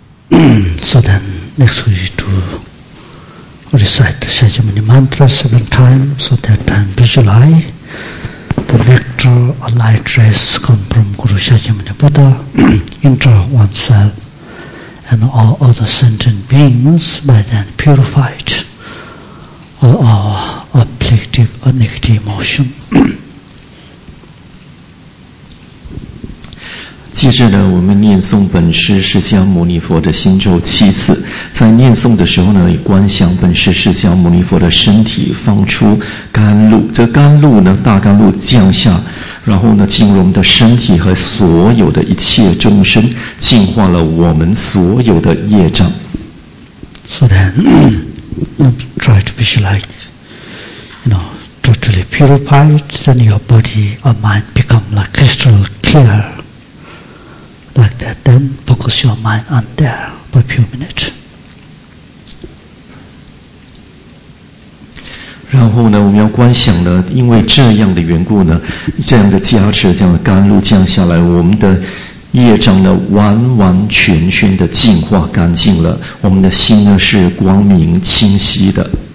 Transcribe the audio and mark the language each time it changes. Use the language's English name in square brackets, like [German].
[English] So then, next we need to recite the Shakyamuni mantra 7 times, so that time visualize the nectar or light rays come from Guru Shakyamuni Buddha, enter oneself and all other sentient beings by then purified all our afflictive or negative emotion. [Chinese] 接着呢，我们念诵本师释迦牟尼佛的心咒7次。在念诵的时候呢，观想本师释迦牟尼佛的身体放出甘露，这甘露呢，大甘露降下，然后呢，进入我们的身体和所有的一切众生，净化了我们所有的业障。 [English] So then, try to visualize, you know, totally purified, then your body or mind become like crystal clear. Like that, then focus your mind on there for a few minutes. [Chinese] 然后呢，我们要观想呢，因为这样的缘故呢，这样的加持，这样的甘露降下来，我们的业障呢，完完全全的净化干净了，我们的心呢是光明清晰的。